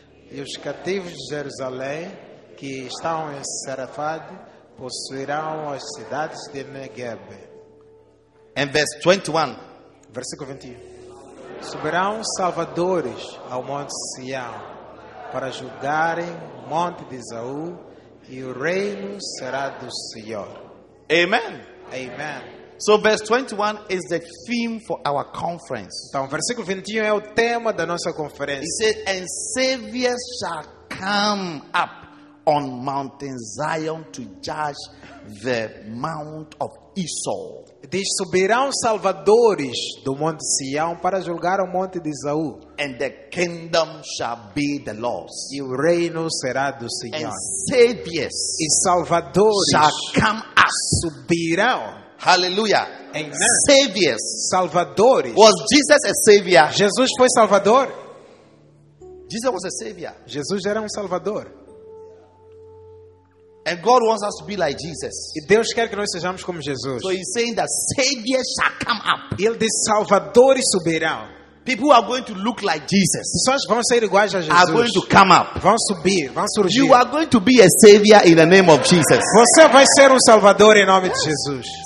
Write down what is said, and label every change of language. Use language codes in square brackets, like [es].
[pt] E os cativos de Jerusalém, que estão em Sarafade, possuirão as cidades de Negev. Em verso 21. Versículo 21. Subirão salvadores ao monte Sião, para julgarem o monte de Esaú, e o reino será do Senhor. Amen. Amen. [en] So verse 21 is the theme for our conference. [pt] Então, versículo 21 é o tema da nossa conferência. [en] It says, and saviors shall come up on Mount Zion to judge the Mount of Esau. [pt] Diz, subirão salvadores do Monte Sião para julgar o Monte de Esaú. [en] And the kingdom shall be the Lord's. [pt] E o reino será do Senhor. [en] And saviors [pt] e salvadores [en] shall come up. [pt] Subirão. Hallelujah. Amen. [en] Saviors. [pt] Salvadores. [en] Was Jesus a savior? [pt] Jesus foi salvador. [en] Jesus was a savior. [pt] Jesus era salvador. [en] And God wants us to be like Jesus. [pt] E Deus quer que nós sejamos como Jesus. [en] So he's saying that Savior shall come up. [pt] Ele diz, Salvadores subirão. [en] People are going to look like Jesus. [pt] Pessoas vão ser iguais a Jesus. [en] Are going to come up. [pt] Vão subir, vão surgir. [en] You are going to be a savior in the name of Jesus. [pt] Você vai ser salvador em nome de Jesus.